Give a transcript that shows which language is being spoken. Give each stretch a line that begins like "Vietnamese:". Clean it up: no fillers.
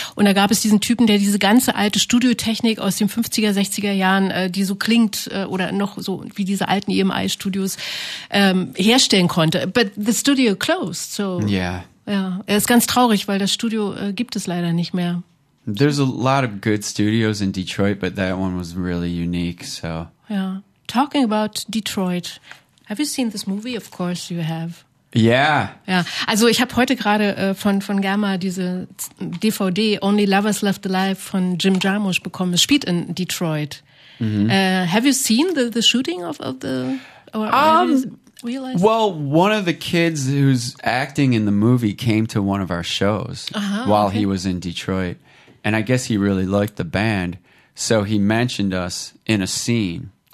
German: Und da gab es diesen Typen, der diese ganze alte Studiotechnik aus den 50er, 60er Jahren, die so klingt, oder noch so wie diese alten EMI-Studios, herstellen konnte.
English: But the studio closed, so. Yeah.
German: Ja, er ist ganz traurig, weil das Studio gibt es leider nicht mehr.
English: There's a lot of good studios in Detroit, but that one was really unique, so. Ja, talking about Detroit, have you seen this movie? Of course you have. Yeah.
German: Ja, also ich habe heute gerade von Germa diese DVD Only Lovers Left Alive von Jim Jarmusch bekommen. Es spielt in Detroit. Mm-hmm.
English: Have you seen the shooting of the Well, one of the kids who's acting in the movie came to one of our shows he was in Detroit, and I guess he really liked the band, so he mentioned us in a scene.